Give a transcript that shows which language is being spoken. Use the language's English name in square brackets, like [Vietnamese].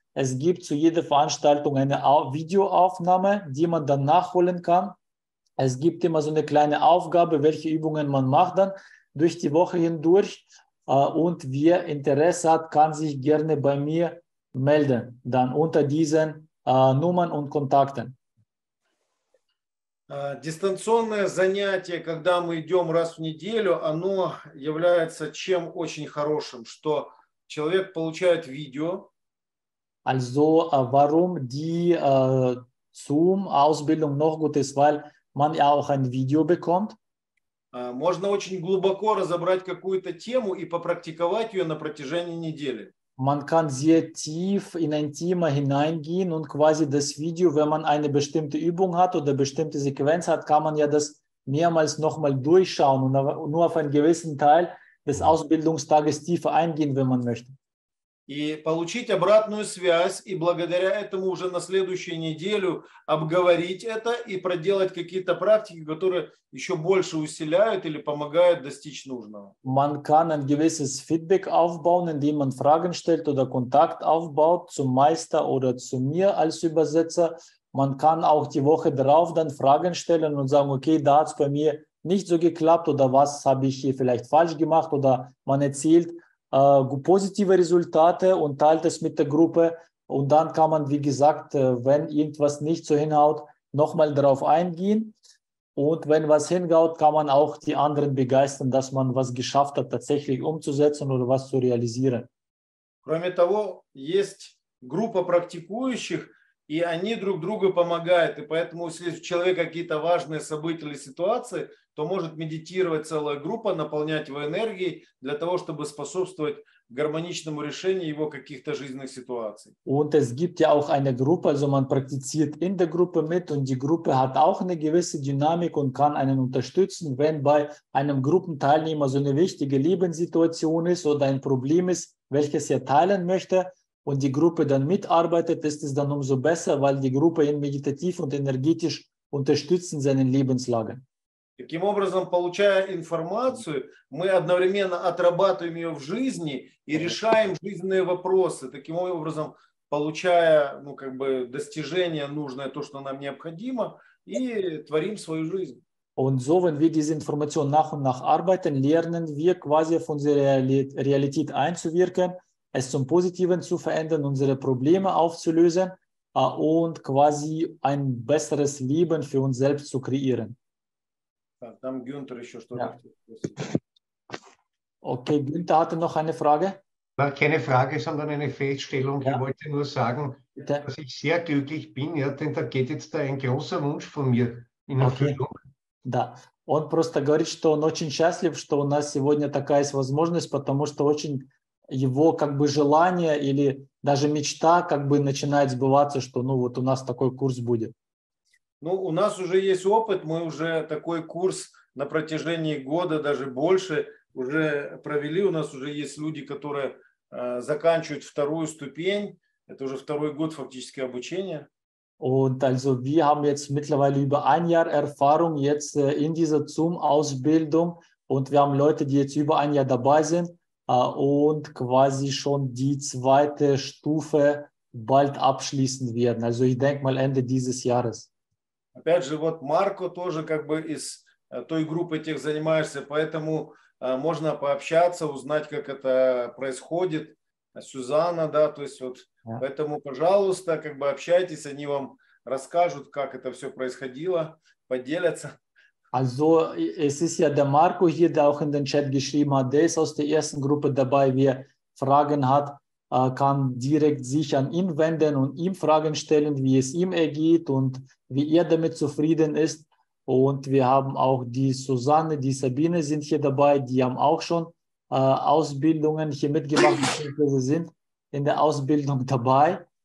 [German] Es gibt zu jeder Veranstaltung eine Videoaufnahme, die man dann nachholen kann. Es gibt immer so eine kleine Aufgabe, welche Übungen man macht dann durch die Woche hindurch. Und wer Interesse hat, kann sich gerne bei mir melden, dann unter diesen Nummern und Kontakten. [Russian] Дистанционное занятие, когда мы идем раз в неделю, оно является чем очень хорошим, что человек получает видео. [German] Also, warum die Zoom-Ausbildung noch gut ist, weil man ja auch ein Video bekommt. [Russian] Можно очень глубоко разобрать какую-то тему и попрактиковать ее на протяжении недели. [German] Man kann sehr tief in ein Thema hineingehen und quasi das Video, wenn man eine bestimmte Übung hat oder bestimmte Sequenz hat, kann man ja das mehrmals nochmal durchschauen und nur auf einen gewissen Teil des Ausbildungstages tiefer eingehen, wenn man möchte. [Russian] И получить обратную связь, и благодаря этому уже на следующую неделю обговорить это и проделать какие-то практики, которые еще больше усиляют или помогают достичь нужного. [German] Man kann ein gewisses Feedback aufbauen, indem man Fragen stellt oder Kontakt aufbaut zum Meister oder zu mir als Übersetzer. Man kann auch die Woche drauf dann Fragen stellen und sagen, okay, da hat es bei mir nicht so geklappt oder was habe ich hier vielleicht falsch gemacht oder man erzählt, positive Resultate und teilt es mit der Gruppe und dann kann man, wie gesagt, wenn irgendwas nicht so hinhaut, nochmal darauf eingehen und wenn was hingaut, kann man auch die anderen begeistern, dass man was geschafft hat, tatsächlich umzusetzen oder was zu realisieren. [Russian] Кроме того, есть группа практикующих, и они друг другу помогают, и поэтому, если у человека какие-то важные события или ситуации, то может медитировать целая группа, наполнять его энергией для того, чтобы способствовать гармоничному решению его каких-то жизненных ситуаций. [German] Und es gibt ja auch eine Gruppe, also man praktiziert in der Gruppe mit und die Gruppe hat auch eine gewisse Dynamik und kann einen unterstützen, wenn bei einem Gruppenteilnehmer so eine wichtige Lebenssituation ist oder ein Problem ist, welches er teilen möchte. Und die Gruppe dann mitarbeitet, ist es dann umso besser, weil die Gruppe ihn meditativ und energetisch unterstützt in seinen Lebenslagen. [Russian] Таким образом, получая информацию, мы одновременно отрабатываем ее в жизни и решаем жизненные вопросы. Таким образом, получая, ну, как бы достижение нужное, то, что нам необходимо, и творим свою жизнь. [German] Und so, wenn wir diese Information nach und nach arbeiten, lernen wir quasi auf unsere Realität einzuwirken. Es zum Positiven zu verändern, unsere Probleme aufzulösen und quasi ein besseres Leben für uns selbst zu kreieren. Ja. Okay, Günther hatte noch eine Frage. Na, keine Frage, sondern eine Feststellung. Ja. Ich wollte nur sagen, bitte, dass ich sehr glücklich bin, ja, denn da geht jetzt da ein großer Wunsch von mir in Erfüllung. Okay. Da. [Russian] Он просто говорит, что он очень счастлив, что у нас сегодня такая есть возможность, потому что очень его как бы желание или даже мечта как бы начинает сбываться, что ну вот у нас такой курс будет? Ну, у нас уже есть опыт, мы уже такой курс на протяжении года, даже больше, уже провели. У нас уже есть люди, которые заканчивают вторую ступень. Это уже второй год фактически обучения. [German] Und also wir haben jetzt mittlerweile über ein Jahr Erfahrung jetzt in dieser Zoom-Ausbildung und wir haben Leute, die jetzt über ein Jahr dabei sind und quasi schon die zweite Stufe bald abschließen werden. Also ich denke mal Ende dieses Jahres. [Russian] Опять же, вот Марко тоже как бы из той группы тех занимаешься, поэтому можно пообщаться, узнать, как это происходит. Сюзанна, да, то есть вот поэтому, пожалуйста, как бы общайтесь, они вам расскажут, как это все происходило, поделятся. [German] Also, es ist ja der Marco hier, der auch in den Chat geschrieben hat, der ist aus der ersten Gruppe dabei, wer Fragen hat, kann direkt sich an ihn wenden und ihm Fragen stellen, wie es ihm ergeht und wie er damit zufrieden ist. Und wir haben auch die Susanne, die Sabine sind hier dabei, die haben auch schon Ausbildungen hier mitgemacht, beziehungsweise sind in der Ausbildung dabei.